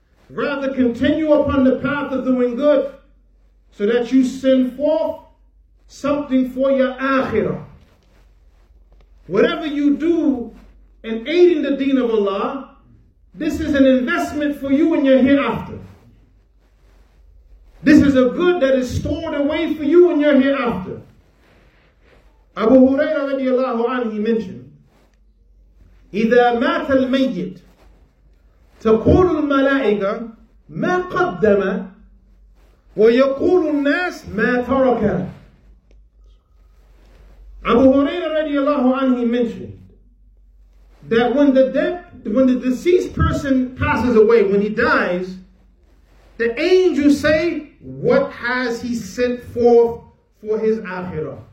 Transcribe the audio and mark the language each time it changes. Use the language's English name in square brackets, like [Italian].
[English] Rather, continue upon the path of doing good so that you send forth something for your akhirah. Whatever you do in aiding the deen of Allah, this is an investment for you in your hereafter. This is a good that is stored away for you in your hereafter. Abu Hurairah radiallahu anhu mentioned, [Arabic] إذا مات الميت تقول الملائكة ما قدم ويقول الناس ما ترك. [English] Abu Hurairah radiallahu anhu mentioned that when the deceased person passes away, when he dies, the angels say, what has he sent forth for his akhirah?